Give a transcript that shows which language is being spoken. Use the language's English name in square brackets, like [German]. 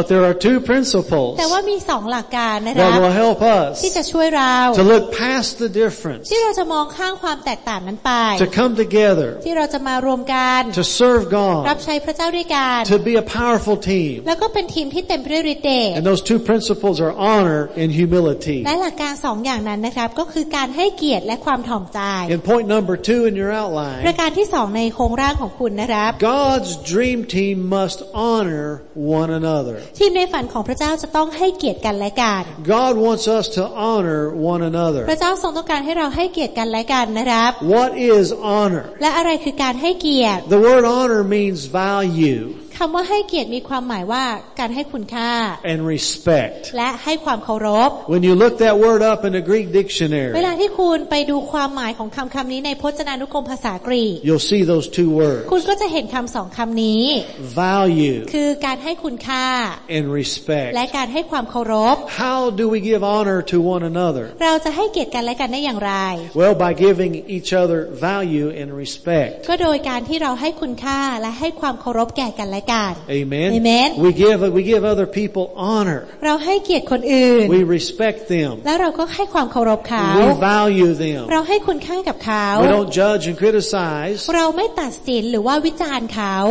[English] But there are two principles [Thai] แต่ว่ามี2หลักการนะครับ [English] That will help us [Thai] ที่จะช่วยเรา [English] To look past the difference [Thai] ที่เราจะมองข้ามความแตกต่างนั้นไป [English] To come together [Thai] ที่เราจะมารวมกัน [English] To serve God [Thai] รับใช้พระเจ้าด้วยกัน [English] To be a powerful team [Thai] แล้วก็เป็นทีมที่เต็มไปด้วยฤทธิ์เดช [English] And those two principles are honor and humility. [Thai] และหลักการ2อย่างนั้นนะครับก็คือการให้เกียรติและความถ่อมใจ [English] And point number 2 in your outline. [Thai] ประการที่2ในโครงร่างของคุณนะครับ [English] God's dream team must honor one another. [Thai] ทีมในฝันของพระเจ้าจะต้องให้เกียรติกันและกัน [English] God wants us to honor one another. [Thai] พระเจ้าทรงต้องการให้เราให้เกียรติกันและกันนะครับ [English] What is honor? [Thai] และอะไรคือการให้เกียรติ [English] The word honor means value. [Thai] คำว่าให้เกียรติมีความหมายว่าการให้คุณค่า [English] and respect [Thai] และให้ความเคารพ [English] when you look that word up in a Greek dictionary [Thai] เวลาที่คุณไปดูความหมายของคำคำนี้ในพจนานุกรมภาษากรีก [English] you'll see those two words [Thai] คุณก็จะเห็นคำสองคำนี้ [English] value [Thai] คือการให้คุณค่า [English] and respect [Thai] และการให้ความเคารพ [English] how do we give honor to one another [Thai] เราจะให้เกียรติกันและกันได้อย่างไร [English] well by giving each other value and respect [Thai] ก็โดยการที่เราให้คุณค่าและให้ความเคารพแก่กันและ กาศ [English] Amen. Amen. We give other people honor. [Thai] เราให้เกียรติคนอื่น [English] We respect them. [Thai] แล้วเราก็ให้ความเคารพเขา [English] We value them. [Thai] เราให้คุณค่ากับเขา [English] We don't judge and criticize. [Thai] เราไม่ตัดสินหรือว่าวิจารณ์เขา